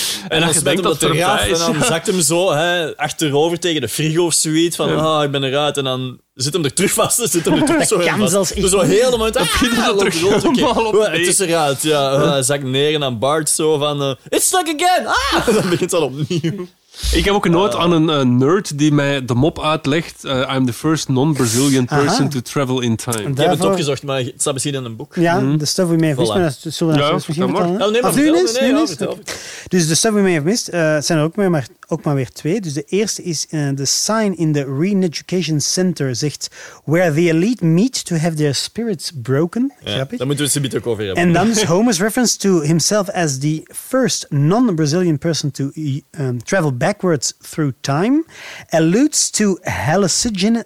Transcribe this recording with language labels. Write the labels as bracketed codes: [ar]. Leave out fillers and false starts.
[nl] En als je denkt dat er is. En dan zakt hem zo achterover tegen de frigo of zoiets, van ik ben eruit, en dan Zit hem er terug vast? Zit hem er terug zo kan vast? Dus zo heel de moment... Ah, dat loopt terug rond. Okay. Het is eruit. Ja, zak neer en dan Bart zo van... It's stuck again! Ah! Dan begint het al opnieuw. Ik heb ook een nood aan een nerd die mij de mop uitlegt. [en] I'm the first non-Brazilian person to travel in time. [nl] Je hebt het opgezocht, maar het staat misschien in een boek. Ja, The Stuff We May Have Missed. Maar dat zullen we misschien vertellen. Dus The Stuff We May Have Missed zijn er ook maar weer twee. [en] Dus de eerste is The Sign in the Re-Education Center zegt Where the Elite Meet to Have Their Spirits Broken. Ja, [nl] daar moeten we het zometeen over hebben. [en] En dan is Homer's reference to himself as the first non-Brazilian person to travel backwards through time alludes to hallucinogen.